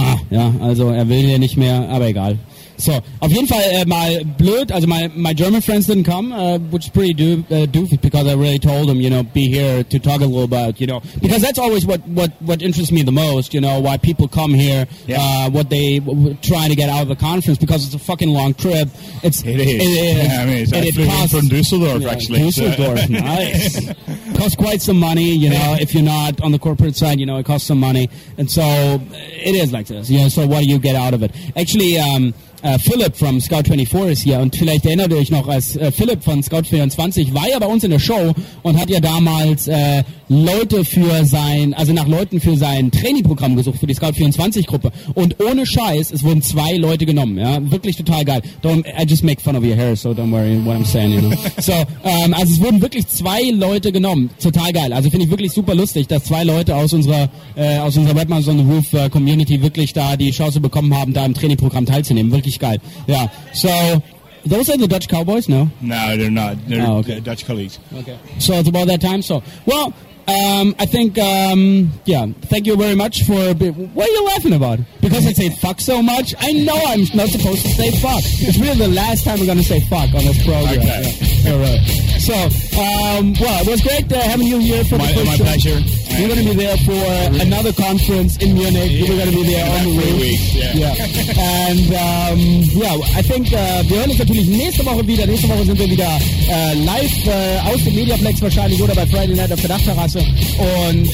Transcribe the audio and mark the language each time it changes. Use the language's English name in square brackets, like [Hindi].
[German] Ja, also er will ja nicht mehr, aber egal. So, auf jeden Fall mal blöd, also [English] my German friends didn't come, which is pretty doofy, because I really told them, you know, be here to talk a little about, you know, because that's always what interests me the most, you know, why people come here, yeah. What they trying to get out of the conference, because it's a fucking long trip. It is. Yeah, I mean, it's from Dusseldorf, yeah, actually. Dusseldorf, nice. Costs quite some money, you know, if you're not on the corporate side, you know, it costs some money. And so it is like this, you know, so what do you get out of it? Actually, Philipp from Scout24 [German] ist hier und vielleicht erinnert ihr euch noch, als Philipp von Scout24 war ja bei uns in der Show und hat ja damals nach Leuten für sein Trainingprogramm gesucht, für die Scout24-Gruppe und ohne Scheiß, es wurden 2 Leute genommen, ja, wirklich total geil. [English] I just make fun of your hair, so don't worry what I'm saying, you know. [German] So, also es wurden wirklich 2 Leute genommen, total geil, also finde ich wirklich super lustig, dass 2 Leute aus unserer Webmasters on the Roof Community wirklich da die Chance bekommen haben, da im Trainingprogramm teilzunehmen, wirklich geil. [English] Yeah. So, those are the Dutch Cowboys, no? No, they're not. They're Dutch colleagues. Okay. So, it's about that time. So, well, I think, thank you very much for... What are you laughing about? Because I say fuck so much? I know I'm not supposed to say fuck. It's really the last time we're going to say fuck on this program. Okay. Yeah. All right. So, well, it was great having you here for the first show. My pleasure. We're going to be there for another conference in Munich. Yeah. We're going to be there on the week. Yeah. And, I think [German] wir hören uns natürlich nächste Woche wieder. Nächste Woche sind wir wieder live aus dem Mediaplex wahrscheinlich oder bei Friday Night auf der Dachterrasse. Und...